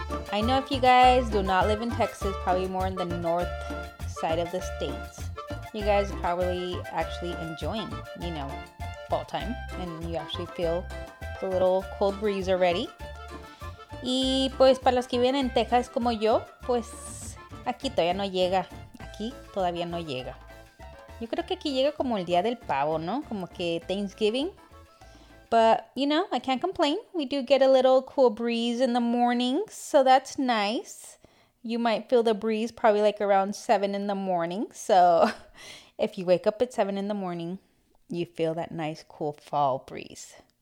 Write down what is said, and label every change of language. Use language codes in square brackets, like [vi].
[en] I know if you guys do not live in Texas, probably more in the north side of the states, you guys are probably actually enjoying, you know, fall time, and you actually feel the little cold breeze already. [es] Y pues para los que viven en Texas como yo, pues aquí todavía no llega. Aquí todavía no llega. Yo creo que aquí llega como el día del pavo, ¿no? Como que Thanksgiving. [en] But, you know, I can't complain. We do get a little cool breeze in the morning, so that's nice. You might feel the breeze probably like around 7 in the morning. So if you wake up at 7 in the morning, you feel that nice cool fall breeze.